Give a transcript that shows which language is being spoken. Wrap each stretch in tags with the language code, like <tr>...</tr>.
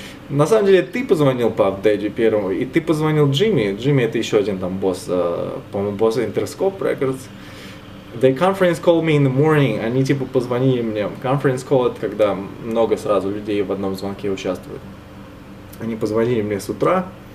<ru>На самом деле, ты позвонил Puff Daddy первому, и ты позвонил Джимми. Джимми это еще один там босс, по-моему, босс Interscope Records.</ru> <en>They conference called me in the morning.</en> <ru>Они типа позвонили мне. Conference call это когда много сразу людей в одном звонке участвуют. Они позвонили мне с утра.</ru>